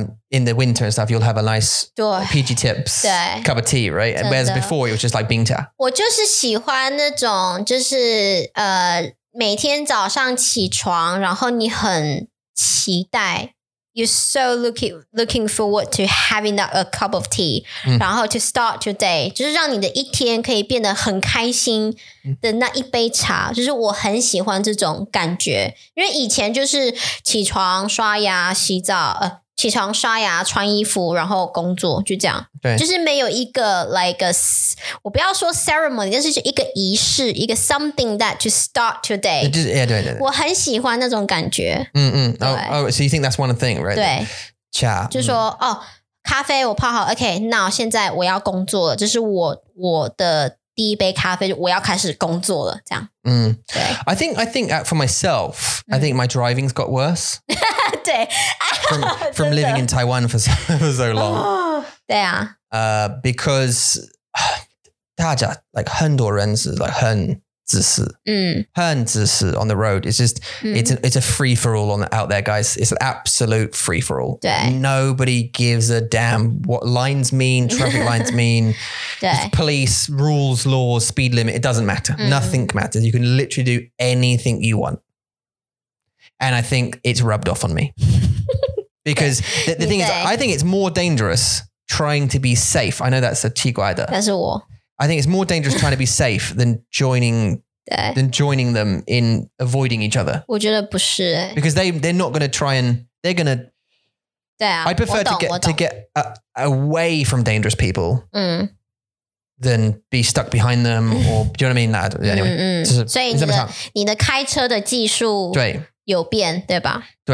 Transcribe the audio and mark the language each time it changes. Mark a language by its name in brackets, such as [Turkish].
[English] In the winter and stuff, you'll have a nice PG Tips cup of tea, right? [Chinese] 真的。 [English] Whereas before, it was just like 冰茶。 [Chinese] 我就是喜欢那种,就是, 每天早上起床,然后你很期待。 [English] You're so looking forward to having that a cup of tea, [Chinese] 然后 [English] to start your day, [Chinese] 就是让你的一天可以变得很开心的那一杯茶, 就是我很喜欢这种感觉,因为以前就是起床刷牙洗澡, 起床刷牙穿衣服然后工作就这样, 就是没有一个 [English] like a, [Chinese] 我不要说 ceremony, 但是就一个仪式, 一个 [English] something that to start your day. Yeah, 对。 [Chinese] 我很喜欢那种感觉。 [English] So you think that's one thing, right? [Chinese] 对。茶。就是说, 哦, 咖啡我泡好, [English] okay, now [Chinese] 现在我要工作了, 这是我的第一杯咖啡, 我要开始工作了, 这样。 [English] I think for myself, I think my driving's got worse. [Chinese] 对。 [English] From living in Taiwan for so long. [Chinese] 对啊。 [English] Because [Chinese] 大家, like 很多人是 like 很自私, mm. 很自私 [English] on the road. It's just, mm. it's a free for all on the, out there, guys. It's an absolute free for all. Nobody gives a damn what lines mean, traffic lines mean, police, rules, laws, speed limit. It doesn't matter. Mm. Nothing matters. You can literally do anything you want. And I think it's rubbed off on me. Because the thing is, I think it's more dangerous trying to be safe. I know that's a [Chinese] 奇怪的. [English] That's a war. I think it's more dangerous trying to be safe than joining them in avoiding each other. [Chinese] 我觉得不是。 [English] Because they're not going to try and, they're going to, [Chinese] 对啊, [English] I prefer [Chinese] 我懂, [English] to get away from dangerous people than be stuck behind them or, do you know what I mean? That, anyway. [Chinese] 所以你的开车的技术有变,对吧?